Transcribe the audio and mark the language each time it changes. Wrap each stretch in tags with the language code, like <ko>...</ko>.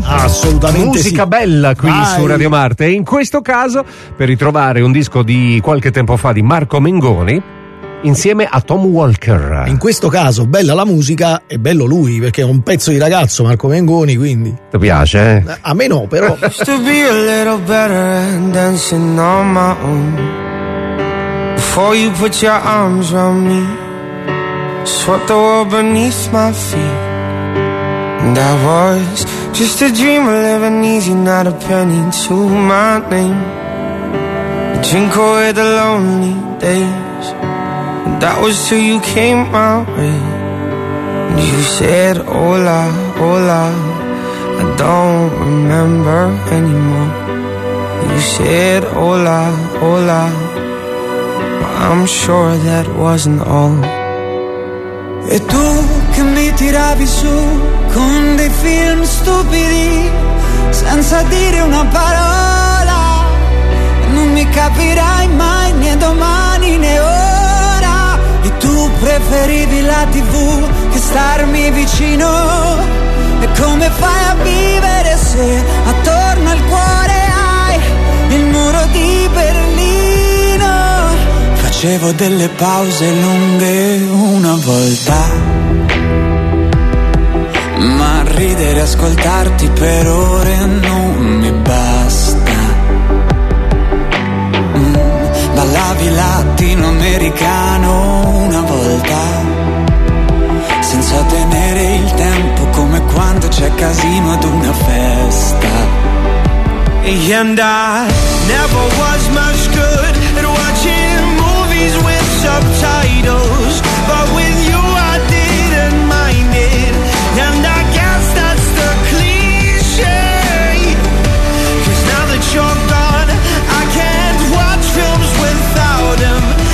<it>Assolutamente musica, sì. Bella qui. Vai. Su Radio Marte, e in questo caso per ritrovare un disco di qualche tempo fa di Marco Mengoni. insieme a Tom Walker. In questo caso, bella la musica e bello lui, perché è un pezzo di ragazzo, Marco Mengoni, quindi. Ti piace, eh? A me no, però.</it> <en>Used to be a little better dancing on my own. Before you put your arms around me, swept the world beneath my feet. And I was just a dream of living easy, not a penny to my name. Drink away the lonely days. And that was till you came my way. And you said, hola, hola, I don't remember anymore. You said, hola, hola, but I'm sure that wasn't all.</en> <it>E tu che mi tiravi su con dei film stupidi, senza dire una parola. Non mi capirai mai, né domani né ora. E tu preferivi la TV che starmi vicino. E come fai a vivere se attorno al cuore hai il muro di Berlino? Facevo delle pause lunghe una volta, ma ridere e ascoltarti per ore non mi basta. Ballavi latinoamericano una volta, senza tenere il tempo, come quando c'è casino ad una festa.</it> <en>And I never was much good at watching movies with subtitles, but with you I didn't mind it. And I guess that's the cliche, 'cause now that you're gone I can't watch films with them.</en>